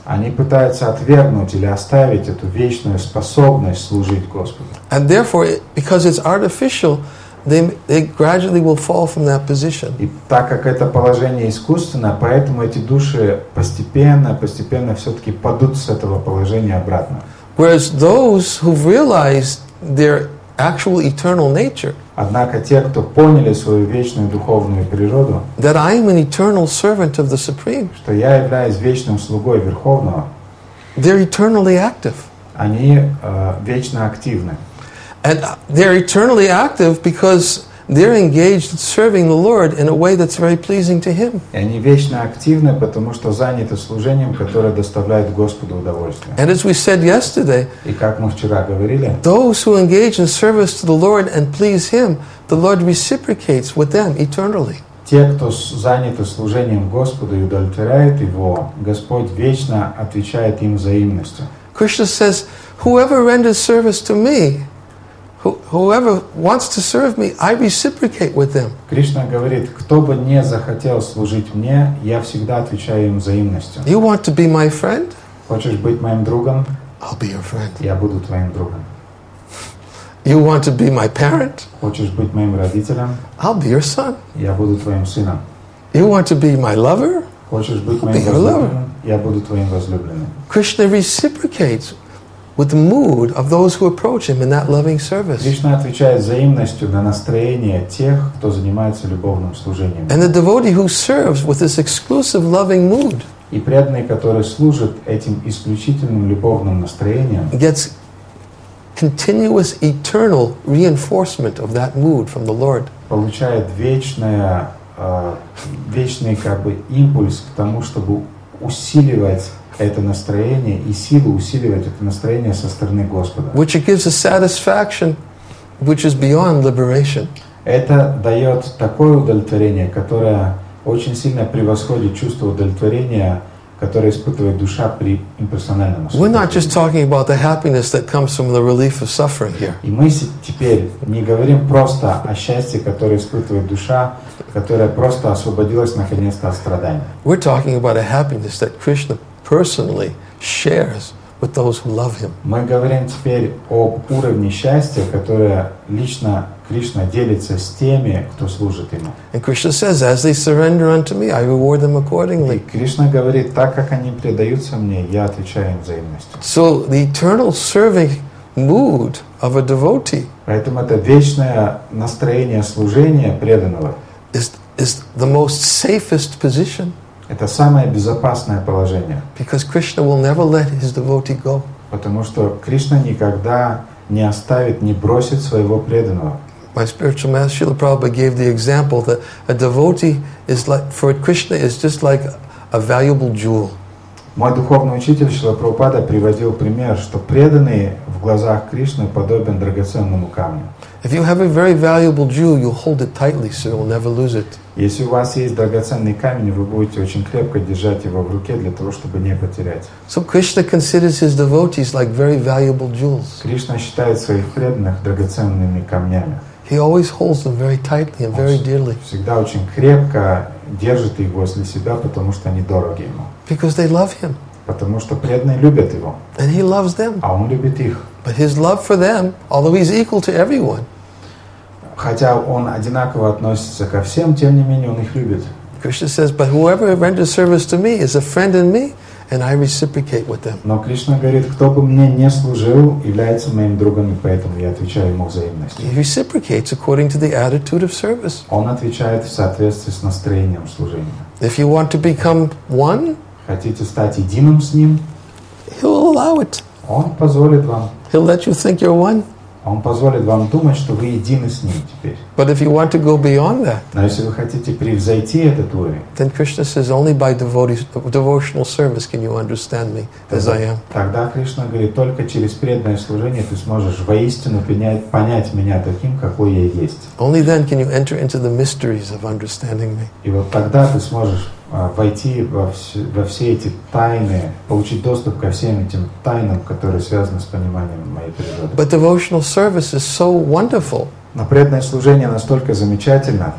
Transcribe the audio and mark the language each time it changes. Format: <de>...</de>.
<ru>Они пытаются отвергнуть или оставить эту вечную способность служить Господу.</ru> <en>And therefore, because it's artificial, they gradually will fall from that position.</en> <ru>И так как это положение искусственно, поэтому эти души постепенно все-таки падут с этого положения обратно.</ru> <en>Whereas those who've realized their actual eternal nature.</en> <ru>Однако те, кто поняли свою вечную духовную природу,</ru> <en>that I am an eternal servant of the Supreme,</en> <ru>что я являюсь вечным слугой Верховного,</ru> <en>they're eternally active.</en> <ru>Они вечно активны.</ru> <en>And they're eternally active because they're engaged in serving the Lord in a way that's very pleasing to Him.</en> <ru>И они вечно активны, потому что заняты служением, которое доставляет Господу удовольствие.</ru> <en>And as we said yesterday,</en> <ru>и как мы вчера говорили,</ru> <en>those who engage in service to the Lord and please Him, the Lord reciprocates with them eternally.</en> <ru>Те, кто заняты служением Господу и удовлетворяют Его, Господь вечно отвечает им взаимностью.</ru> <en>Krishna says, whoever renders service to me, whoever wants to serve me, I reciprocate with them.</en> <ru>Кришна говорит, кто бы не захотел служить мне, я всегда отвечаю им взаимностью.</ru> <en>You want to be my friend?</en> <ru>Хочешь быть моим другом?</ru> <en>I'll be your friend.</en> <ru>Я буду твоим другом.</ru> <en>You want to be my parent?</en> <ru>Хочешь быть моим родителем?</ru> <en>I'll be your son.</en> <ru>Я буду твоим сыном.</ru> <en>You want to be my lover?</en> <ru>Хочешь быть моим возлюбленным? Я буду твоим возлюбленным.</ru> <en>Krishna reciprocates with the mood of those who approach him in that loving service.</en> <ru>Кришна отвечает взаимностью на настроение тех, кто занимается любовным служением.</ru> <en>And the devotee who serves with this exclusive loving mood.</en> <ru>И преданный, который служит этим исключительным любовным настроением,</ru> <en>gets continuous eternal reinforcement of that mood from the Lord.</en> <ru>Получает вечное вечный как бы импульс к тому, чтобы усиливать это настроение и силу усиливать это настроение со стороны Господа.</ru> <en>Which gives a satisfaction, which is beyond liberation.</en> <ru>Это дает такое удовлетворение, которое очень сильно превосходит чувство удовлетворения, которое испытывает душа при имперсональном освобождении.</ru> <en>We're not just talking about the happiness that comes from the relief of suffering here.</en> <ru>И мы теперь не говорим просто о счастье, которое испытывает душа, которая просто освободилась наконец-то от страдания.</ru> <en>We're talking about a happiness that Krishna personally shares with those who love him.</en> <ru>Мы говорим теперь об уровне счастья, которое лично Кришна делится с теми, кто служит ему.</ru> <en>And Krishna says, as they surrender unto me, I reward them accordingly.</en> <ru>И Кришна говорит, так как они предаются мне, я отвечаю им взаимностью.</ru> <en>So the eternal serving mood of a devotee.</en> <ru>Поэтому это вечное настроение служения преданного.</ru> <en>Is the most safest position.</en> <ru>Это самое безопасное положение.</ru> <en>Because Krishna will never let his devotee go.</en> <ru>Потому что Кришна никогда не оставит, не бросит своего преданного.</ru> <en>My spiritual master Srila Prabhupada gave the example that a devotee is like, for Krishna is just like a valuable jewel.</en> <ru>Мой духовный учитель Шрила Прабхупада приводил пример, что преданный в глазах Кришны подобен драгоценному камню.</ru> <en>If you have a very valuable jewel, you hold it tightly, so you'll never lose it.</en> <ru>Если у вас есть драгоценный камень, вы будете очень крепко держать его в руке для того, чтобы не потерять.</ru> <en>So Krishna considers his devotees like very valuable jewels.</en> <ru>Кришна считает своих преданных драгоценными камнями.</ru> <en>He always holds them very tightly and very dearly.</en> <ru>Всегда очень крепко держит их возле себя, потому что они дороги ему.</ru> <en>Because they love him.</en> <ru>Потому что преданные любят его.</ru> <en>And he loves them.</en> <ru>А он любит их.</ru> <en>But his love for them, although he's equal to everyone.</en> <ru>Хотя он одинаково относится ко всем, тем не менее он их любит.</ru> <en>Krishna says, but whoever renders service to me is a friend in me, and I reciprocate with them.</en> <ru>Но Кришна говорит, кто бы мне не служил, является моим другом, и поэтому я отвечаю ему взаимностью.</ru> <en>He reciprocates according to the attitude of service.</en> <ru>Он отвечает в соответствии с настроением служения.</ru> <en>If you want to become one,</en> <ru>хотите стать единым с ним,</ru> <en>he'll allow it.</en> <ru>Он позволит вам.</ru> <en>He'll let you think you're one.</en> <ru>Он позволит вам думать, что вы едины с ним теперь.</ru> <en>But if you want to go beyond that,</en> <ru>но если вы хотите превзойти этот уровень,</ru> <en>then Krishna says, only by devotional service can you understand me as I am.</en> <ru>Тогда Кришна говорит, только через преданное служение ты сможешь воистину понять меня таким, какой я есть.</ru> <en>Only then can you enter into the mysteries of understanding me.</en> <ru>И вот тогда ты сможешь войти во все эти тайны, получить доступ ко всем этим тайнам, которые связаны с пониманием моей природы.</ru> <en>But devotional service is so wonderful.</en> <ru>Но преданное служение настолько замечательно,</ru>